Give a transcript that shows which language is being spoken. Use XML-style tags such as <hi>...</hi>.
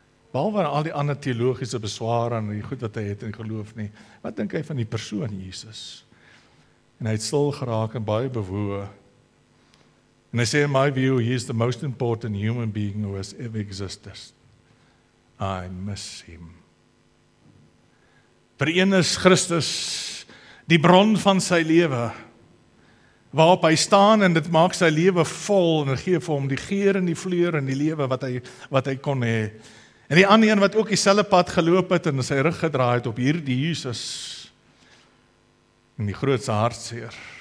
<af>Behalwe al die ander theologiese besware en die goed wat hy het in geloof nie, wat dink hy van die persoon Jesus? En hy het stil geraak en baie bewoe. En hy sê,</af> <en>in my view, he is the most important human being who has ever existed. I miss him.</en> <af>Vir een is Christus die bron van sy lewe, waarop hy staan en dit maak sy lewe vol en dit gee vir hom die geur en die vleur en die lewe wat hy kon hê. En die ander een wat ook dieselfde pad geloop het en sy rug gedraai het op hierdie Jesus en die grootste hartseer.</af>